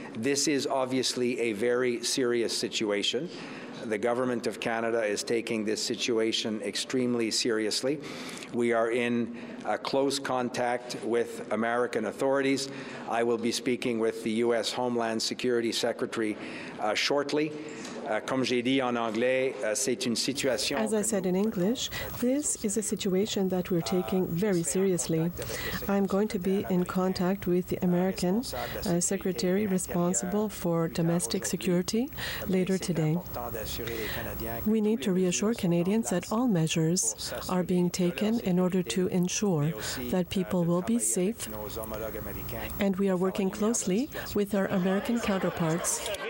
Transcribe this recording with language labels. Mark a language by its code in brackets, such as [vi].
[en] This is obviously a very serious situation. The Government of Canada is taking this situation extremely seriously. We are in close contact with American authorities. I will be speaking with the U.S. Homeland Security Secretary shortly. [fr] Comme j'ai dit en anglais, c'est une situation. [en] As I said in English, this is a situation that we're taking very seriously. I'm going to be in contact with the American secretary responsible for domestic security later today. We need to reassure Canadians that all measures are being taken in order to ensure that people will be safe, and we are working closely with our American counterparts.